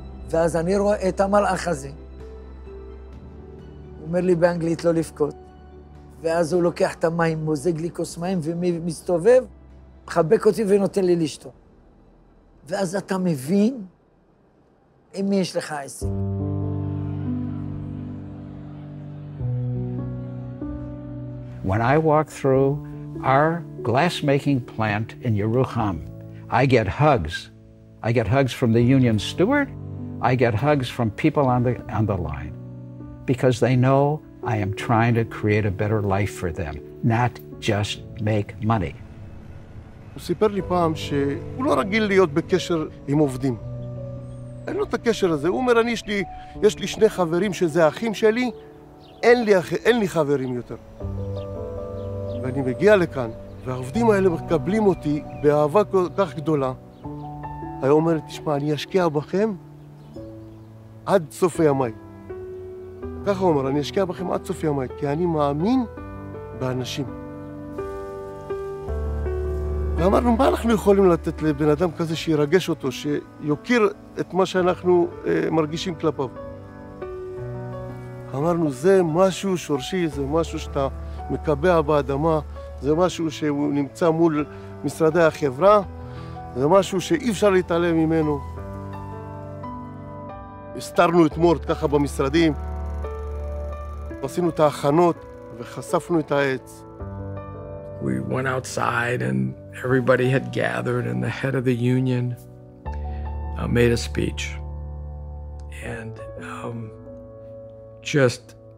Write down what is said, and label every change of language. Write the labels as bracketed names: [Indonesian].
[Hebrew] ואז אני רואה את המלאך הזה. הוא אומר לי באנגלית לא לבכות. ואז הוא לוקח את המים, מוזג לי כוס מים ומסתובב, מחבק אותי ונותן לי לשתות. ואז אתה מבין עם מי יש לך עסק. [English] When I walk through our glass-making plant in Yerucham, I get hugs. I get hugs from the union steward. I get hugs from people on the line. Because they know I am trying to create a better life for them, not just make money. [Hebrew] הוא סיפר לי פעם שהוא לא רגיל להיות בקשר עם עובדים. אין לו את הקשר הזה. הוא אומר, אני יש לי שני חברים שזה אחים שלי, אין לי חברים יותר. ואני מגיע לכאן, והעובדים האלה מקבלים אותי באהבה כל כך גדולה. היה אומר, תשמע, אני אשקיע בכם עד סוף ימי. ככה אומר, אני אשקיע בכם עד סוף ימי, כי אני מאמין באנשים. ואמרנו, מה אנחנו יכולים לתת לבן אדם כזה שירגש אותו, שיוקיר את מה שאנחנו מרגישים כלפיו? אמרנו, זה משהו שורשי, זה משהו שאתה מקבע באדמה, זה משהו שהוא נמצא מול משרדי החברה, זה משהו שאי אפשר להתעלם ממנו. הסתרנו את מורט ככה במשרדים, עשינו את ההכנות וחשפנו את העץ. [English] We went outside and everybody had gathered and the head of the union made a speech. And just...